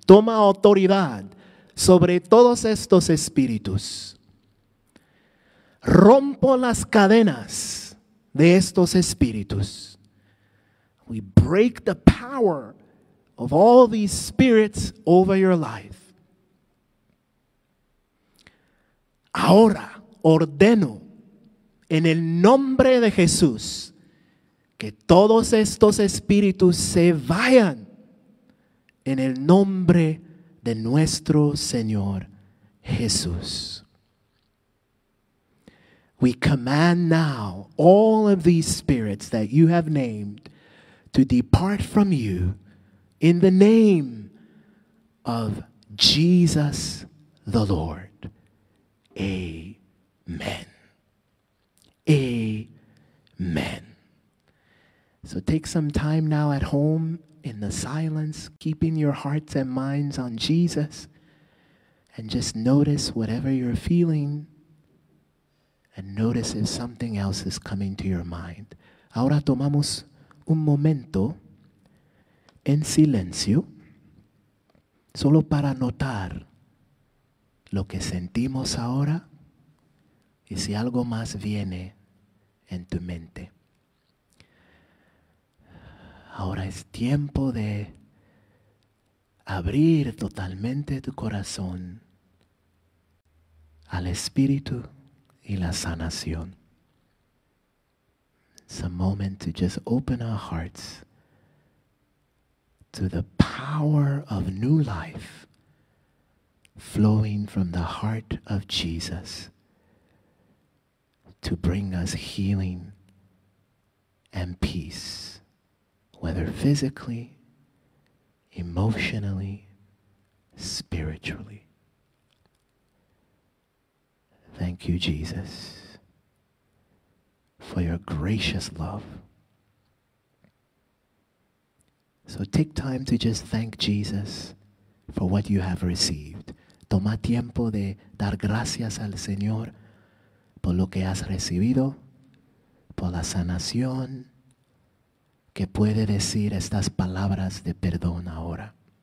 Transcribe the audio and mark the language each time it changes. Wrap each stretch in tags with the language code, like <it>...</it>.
<es>Toma autoridad sobre todos estos espíritus. Rompo las cadenas de estos espíritus.</es> <en>We break the power of all these spirits over your life.</en> <es>Ahora ordeno en el nombre de Jesús que todos estos espíritus se vayan en el nombre de nuestro Señor Jesús.</es> <en>We command now all of these spirits that you have named to depart from you in the name of Jesus the Lord. Amen. Amen. So take some time now at home in the silence, keeping your hearts and minds on Jesus, and just notice whatever you're feeling and notice if something else is coming to your mind.</en> <es>Ahora tomamos un momento en silencio, solo para notar lo que sentimos ahora y si algo más viene en tu mente. Ahora es tiempo de abrir totalmente tu corazón al Espíritu y la sanación.</es> <en>It's a moment to just open our hearts to the power of new life flowing from the heart of Jesus to bring us healing and peace, whether physically, emotionally, spiritually. Thank you, Jesus, for your gracious love. So take time to just thank Jesus for what you have received.</en> <es>Toma tiempo de dar gracias al Señor por lo que has recibido, por la sanación, que puede decir estas palabras de perdón ahora.</es>